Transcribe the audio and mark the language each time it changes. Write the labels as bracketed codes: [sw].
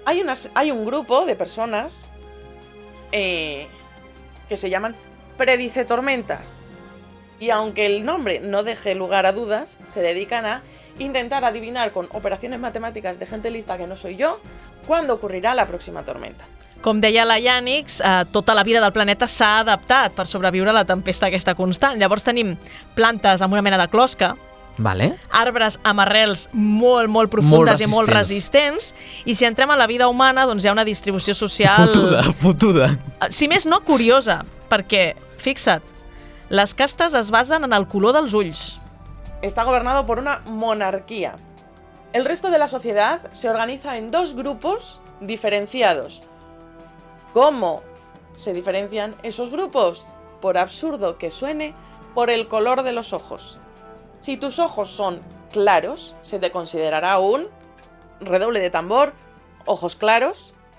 [es] Hay un grupo de personas que se llaman Predice Tormentas. Y aunque el nombre no deje lugar a dudas, se dedican a intentar adivinar con operaciones matemáticas de gente lista que no soy yo, cuándo ocurrirá la próxima tormenta. [ca] Com deia la Yannix, tota la vida del planeta s'ha adaptat per sobreviure a la tempesta aquesta constant. Llavors tenim plantes amb una mena de closca, Vale. Arbres amb arrels molt, molt profundes molt resistents. I molt resistents. I si entrem a la vida humana, doncs hi ha una distribució social... Fotuda. Si més no, curiosa, perquè, fixa't, les castes es basen en el color dels ulls. [es] Está gobernado por una monarquía. El resto de la sociedad se organiza en dos grupos diferenciados. ¿Cómo se diferencian esos grupos? Por absurdo que suene, por el color de los ojos. Si tus ojos son claros, se te considerará un redoble de tambor, ojos claros.